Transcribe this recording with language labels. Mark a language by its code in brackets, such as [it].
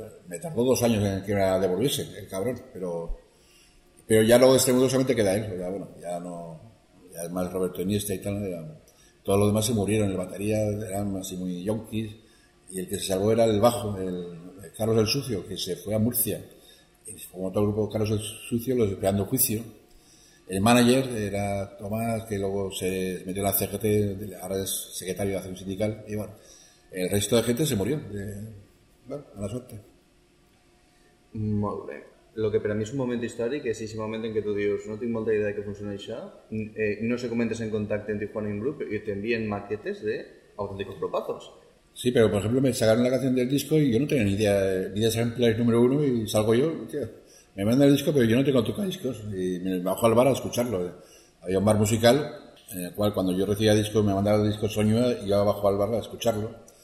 [es] Me tardó 2 años en que me la devolviese el cabrón, pero ya luego de este mundo solamente queda él, ya bueno, ya no, ya es más Roberto Iniesta y tal, ya, todos los demás se murieron, el batería eran así muy yonkis, y el que se salvó era el bajo, el Carlos el Sucio, que se fue a Murcia, y como otro grupo, Carlos el Sucio, los esperando juicio, el manager era Tomás, que luego se metió en la CGT, ahora es secretario de acción sindical, y bueno, el resto de gente se murió, bueno, a la suerte. [ca] Molt bé. El que per a mi és un moment històric és aquest moment en què tu dius no tinc molta idea de que funciona això, no sé com entres en contacte amb Tijuana in Blue i t'envien maquetes d'autèntics propazos. [es] Sí, pero por ejemplo me sacaron la canción del disco y yo no tenía ni idea, ni de Samplers número uno y salgo yo, tío. Me mandan el disco, pero yo no tengo tocadiscos y me bajo al bar a escucharlo. Había un bar musical en el cual cuando yo recibía disco me mandaba el disco Soñuda y yo bajo al bar a escucharlo.